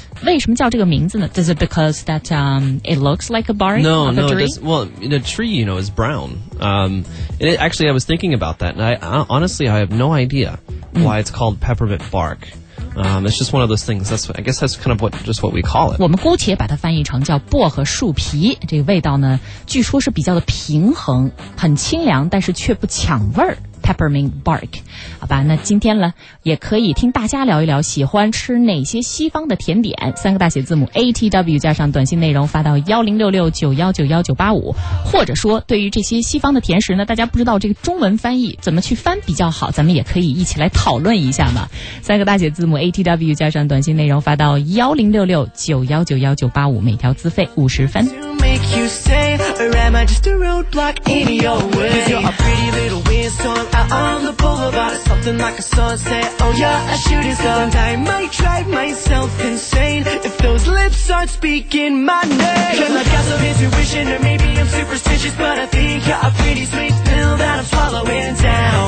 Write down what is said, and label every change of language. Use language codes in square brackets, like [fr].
[zh] 为什么叫这个名字呢? [en] Is it because that, it looks like a bark? No, of no, a tree? Well, the tree, you know, is brown. Actually, I was thinking about that, and I honestly have no idea why it's called peppermint bark. It's just one of those things. I guess that's kind of what we call it. [zh] 我们姑且把它翻译成叫薄荷树皮。这个味道呢，据说是比较的平衡，很清凉，但是却不抢味儿。 [en] Peppermint bark. [zh] 好吧，那今天呢，也可以听大家聊一聊喜欢吃哪些西方的甜点。三个大写字母 ATW 加上短信内容发到10669191985，或者说对于这些西方的甜食呢，大家不知道这个中文翻译怎么去翻比较好，咱们也可以一起来讨论一下嘛。三个大写字母 ATW 加上短信内容发到10669191985，每条资费50分。 [en] You say, or am I just a roadblock in your way? 'Cause you're a pretty little windstorm out on the boulevard, something like a sunset. Oh, you're a shooting star. And I might drive myself insane if those lips aren't speaking my name. 'Cause I got some intuition, or maybe I'm superstitious, but I think you're a pretty sweet pill that I'm swallowing down.